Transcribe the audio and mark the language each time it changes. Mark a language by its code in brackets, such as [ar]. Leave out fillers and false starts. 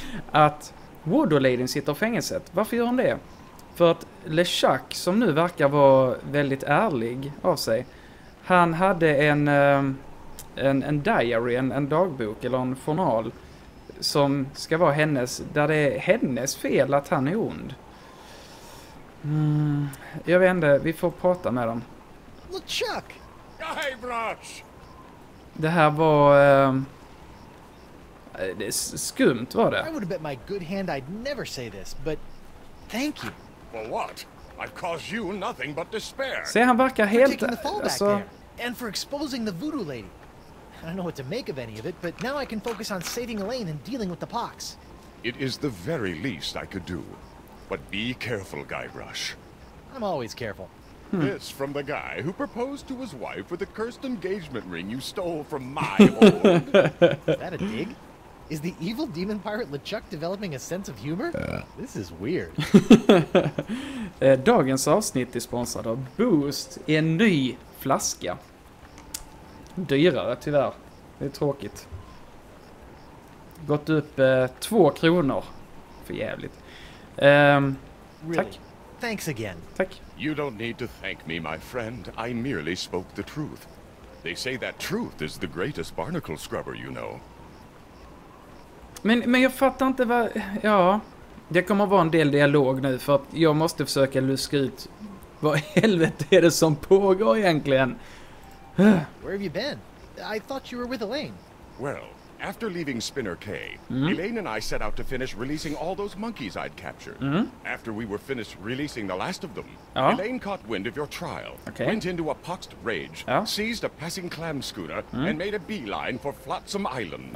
[sv] Att Woodoladyn sitter i fängelset. Varför gör hon det? För att LeChuck, som nu verkar vara väldigt ärlig av sig, han hade en diary, en dagbok eller en journal som ska vara hennes, där det är hennes fel att han är ond. Jag vet inte, vi får prata med dem. LeChuck! Guybrush! Det här var det är skumt, var det? [en] I would have bet my good hand I'd never say this, but thank you. For what? I've caused you nothing but despair. [sv] Se, han verkar helt [en] alltså. And for exposing the voodoo lady. I don't know what to make of any of it, but now I can focus on saving Elaine and dealing with the pox. It is the very least I could do. But be careful, Guybrush. I'm always careful. Hmm. This from the guy who proposed to his wife with the cursed engagement ring you stole from my hoard. Is that a dig? Is the evil demon pirate LeChuck developing a sense of humor? This is weird. [sv] Dagens avsnitt är sponsrad av Boost i en ny flaska. Dyrare tyvärr. Det är tråkigt. Gått upp 2 kronor. För jävligt. [en] Really? [sv] Tack. [en] Thanks again. [sv] Tack. [en] You don't need to thank me, my friend. I merely spoke the truth. They say that truth is the greatest barnacle scrubber, you know. [sv] Men jag fattar inte vad... Ja, det kommer att vara en del dialog nu, för att jag måste försöka luska ut vad i helvete är det som pågår egentligen. [en] Where have you been? I thought you were with Elaine. Well, after leaving Spinner K, Elaine and I set out to finish releasing all those monkeys I'd captured. Mm. After we were finished releasing the last of them, Elaine caught wind of your trial, went into a poxed rage, seized a passing clam schooner, and made a beeline for Flotsam Island.